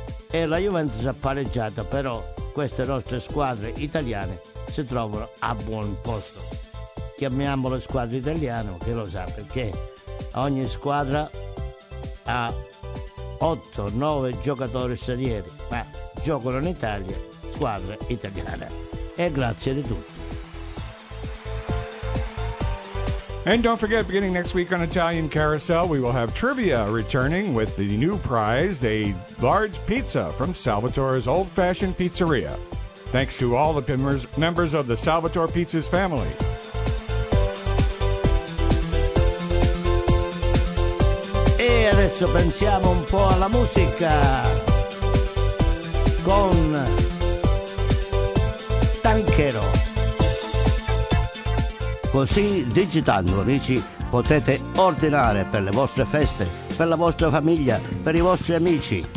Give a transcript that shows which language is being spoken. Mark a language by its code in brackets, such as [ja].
[it] e la Juventus ha pareggiato, però queste nostre squadre italiane si trovano a buon posto. Chiamiamo le squadre italiane, chi lo sa, perché ogni squadra ha 8-9 giocatori stranieri, ma giocano in Italia squadre italiane. E grazie di tutto. [en] And don't forget, beginning next week on Italian Carousel, we will have trivia returning with the new prize, a large pizza from Salvatore's Old Fashioned Pizzeria. Thanks to all the members of the Salvatore Pizzas family. [it] E adesso pensiamo un po' alla musica con Tanchero. Così digitando, amici, potete ordinare per le vostre feste, per la vostra famiglia, per i vostri amici.